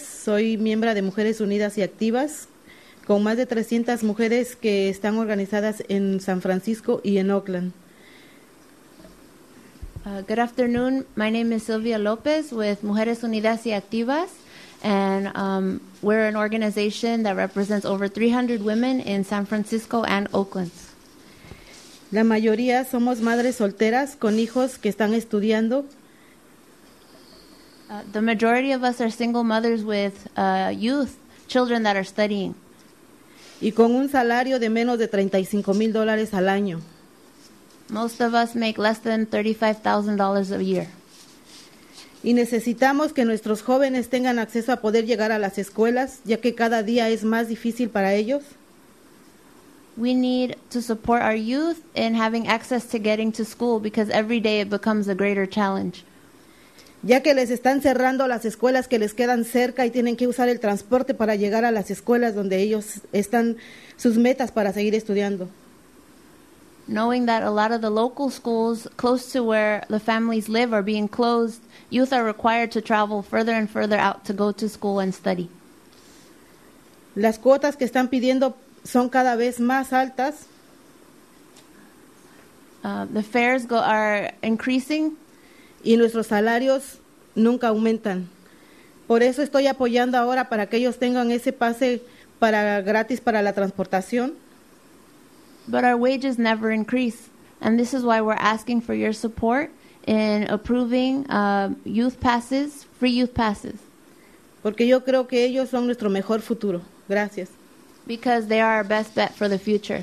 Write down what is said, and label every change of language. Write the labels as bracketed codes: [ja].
[es] Soy miembro de Mujeres Unidas y Activas, con más de 300 mujeres que están organizadas en San Francisco y en Oakland. [en] Good afternoon. My name is Silvia López with Mujeres Unidas y Activas, and we're an organization that represents over 300 women in San Francisco and Oakland. [es] La mayoría somos madres solteras con hijos que están estudiando. [en] The majority of us are single mothers with youth, children that are studying. [es] Y con un salario de menos de $35,000 al año. [en] Most of us make less than $35,000 a year. [es] Y necesitamos que nuestros jóvenes tengan acceso a poder llegar a las escuelas, ya que cada día es más difícil para ellos. [en] We need to support our youth in having access to getting to school because every day it becomes a greater challenge. [es] Ya que les están cerrando las escuelas que les quedan cerca y tienen que usar el transporte para llegar a las escuelas donde ellos están sus metas para seguir estudiando. [en] Knowing that a lot of the local schools close to where the families live are being closed, youth are required to travel further and further out to go to school and study. [es] Las cuotas que están pidiendo son cada vez más altas. [en] The fares are increasing. [es] Y nuestros salarios nunca aumentan. Por eso estoy apoyando ahora para que ellos tengan ese pase para gratis para la transportación. [en] But our wages never increase. And this is why we're asking for your support in approving youth passes, free youth passes. [es] Porque yo creo que ellos son nuestro mejor futuro. Gracias. [en] Because they are our best bet for the future.